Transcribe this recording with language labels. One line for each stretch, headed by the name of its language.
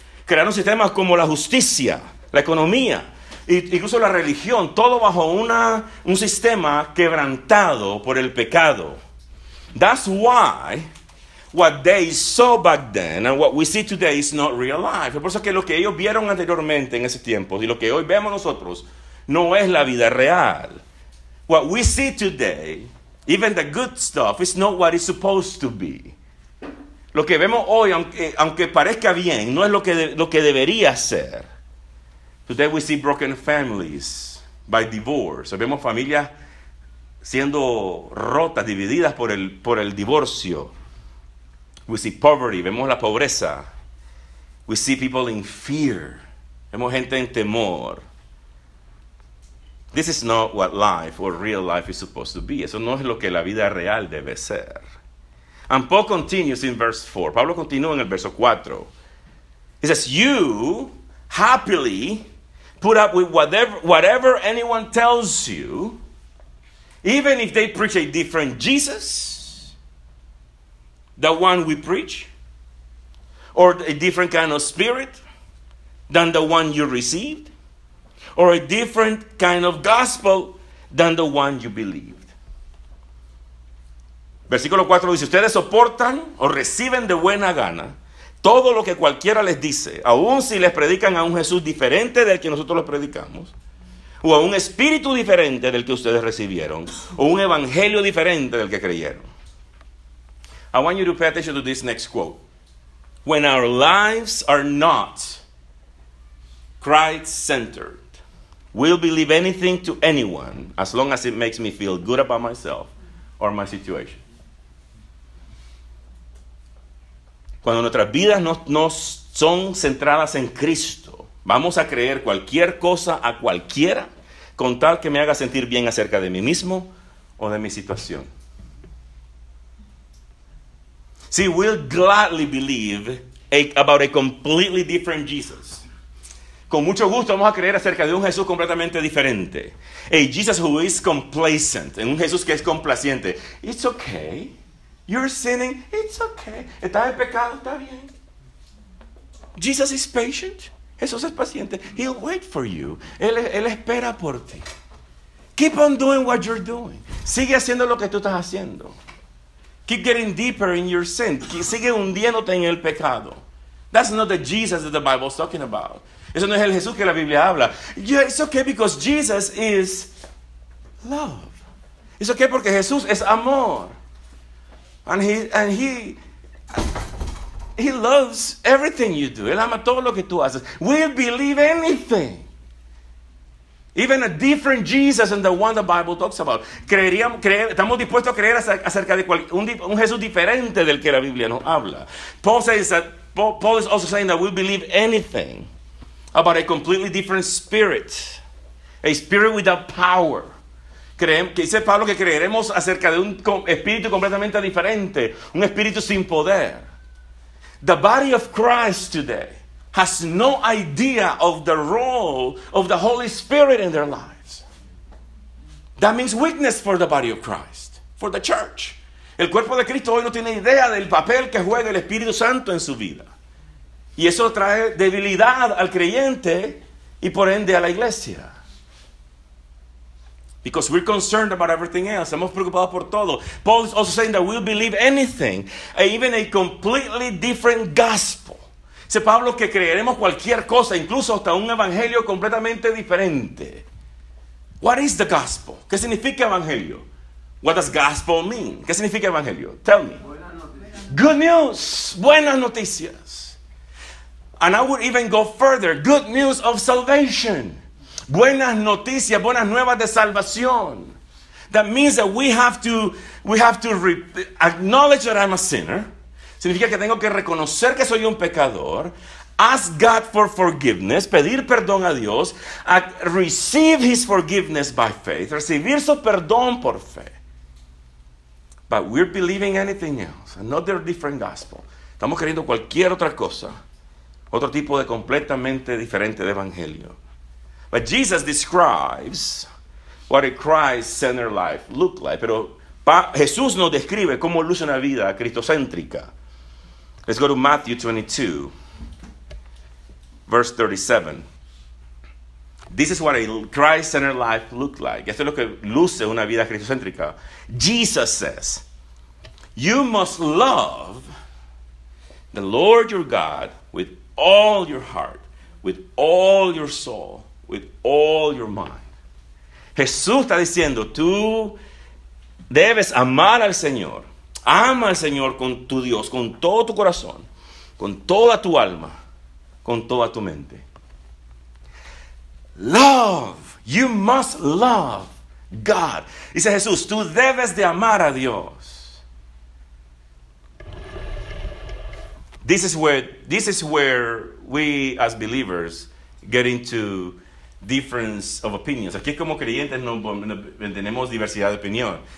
Spanish: Crearon sistemas como la justicia, la economía, incluso la religión, todo bajo un sistema quebrantado por el pecado.
English: That's why what they saw back then and what we see today is not real life.
Spanish: Por eso que lo que ellos vieron anteriormente en ese tiempo y lo que hoy vemos nosotros no es la vida real.
English: What we see today, even the good stuff, is not what it's supposed to be.
Spanish: Lo que vemos hoy, aunque parezca bien, no es lo que debería ser.
English: Today we see broken families by divorce.
Spanish: Vemos familias siendo rotas, divididas por el divorcio.
English: We see poverty.
Spanish: Vemos la pobreza.
English: We see people in fear.
Spanish: Vemos gente en temor.
English: This is not what life or real life is supposed to be.
Spanish: Eso no es lo que la vida real debe ser.
English: And Paul continues in verse 4.
Spanish: Pablo continúa en el verso 4.
English: He says, you happily put up with whatever anyone tells you, even if they preach a different Jesus, the one we preach, or a different kind of spirit than the one you received, or a different kind of gospel than the one you believed.
Spanish: Versículo 4 dice, ustedes soportan o reciben de buena gana todo lo que cualquiera les dice, aun si les predican a un Jesús diferente del que nosotros les predicamos, o a un espíritu diferente del que ustedes recibieron, o un evangelio diferente del que creyeron.
English: I want you to pay attention to this next quote. When our lives are not Christ-centered, we'll believe anything to anyone as long as it makes me feel good about myself or my situation.
Spanish: Cuando nuestras vidas no son centradas en Cristo, vamos a creer cualquier cosa a cualquiera con tal que me haga sentir bien acerca de mí mismo o de mi situación.
English: See, we'll gladly believe about a completely different Jesus.
Spanish: Con mucho gusto vamos a creer acerca de un Jesús completamente diferente.
English: A Jesus who is complacent.
Spanish: Un Jesús que es complaciente.
English: It's okay. You're sinning, it's okay.
Spanish: Estás en pecado, está bien.
English: Jesus is patient.
Spanish: Jesús es paciente.
English: He'll wait for you.
Spanish: Él espera por ti.
English: Keep on doing what you're doing.
Spanish: Sigue haciendo lo que tú estás haciendo.
English: Keep getting deeper in your sin.
Spanish: Sigue hundiéndote en el pecado.
English: That's not the Jesus that the Bible is talking about.
Spanish: Eso no es el Jesús que la Biblia habla.
English: Yeah, it's okay because Jesus is love. It's okay
Spanish: porque Jesús es amor.
English: And he loves everything you do.
Spanish: Él ama todo lo que tú haces.
English: We'll believe anything. Even a different Jesus than the one the Bible talks about.
Spanish: Estamos dispuestos a creer acerca de un Jesús diferente del que la Biblia nos habla.
English: Paul is also saying that we'll believe anything about a completely different spirit. A spirit without power.
Spanish: Que dice Pablo que creeremos acerca de un espíritu completamente diferente, un espíritu sin poder.
English: The body of Christ today has no idea of the role of the Holy Spirit in their lives. That means weakness for the body of Christ, for the church.
Spanish: El cuerpo de Cristo hoy no tiene idea del papel que juega el Espíritu Santo en su vida. Y eso trae debilidad al creyente y por ende a la iglesia.
English: Because we're concerned about everything else.
Spanish: Estamos preocupados por todo.
English: Paul is also saying that we'll believe anything, even a completely different gospel.
Spanish: Dice Pablo que creeremos cualquier cosa, incluso hasta un evangelio completamente diferente.
English: What is the gospel?
Spanish: ¿Qué significa evangelio?
English: What does gospel mean?
Spanish: ¿Qué significa evangelio?
English: Tell me. Good news.
Spanish: Buenas noticias.
English: And I would even go further. Good news of salvation.
Spanish: Buenas noticias, buenas nuevas de salvación.
English: That means that we have to acknowledge that I'm a sinner.
Spanish: Significa que tengo que reconocer que soy un pecador.
English: Ask God for forgiveness,
Spanish: pedir perdón a Dios.
English: Receive His forgiveness by faith.
Spanish: Recibir su perdón por fe.
English: But we're believing anything else, another different gospel.
Spanish: Estamos creyendo cualquier otra cosa Otro tipo de completamente diferente de evangelio.
English: But Jesus describes what a Christ-centered life looks like.
Spanish: Pero Jesús nos describe cómo luce una vida cristocéntrica.
English: Let's go to Matthew 22, verse 37. This is what a Christ-centered life looks like.
Spanish: Esto es lo que luce una vida cristocéntrica.
English: Jesus says, you must love the Lord your God with all your heart, with all your soul, with all your mind.
Spanish: Jesús está diciendo, tú debes amar al Señor. Ama al Señor con tu Dios, con todo tu corazón, con toda tu alma, con toda tu mente.
English: Love, you must love God.
Spanish: Dice Jesús, tú debes de amar a Dios.
English: This is where we as believers get into difference of opinions.
Spanish: Aquí como creyentes no tenemos diversidad de opinión.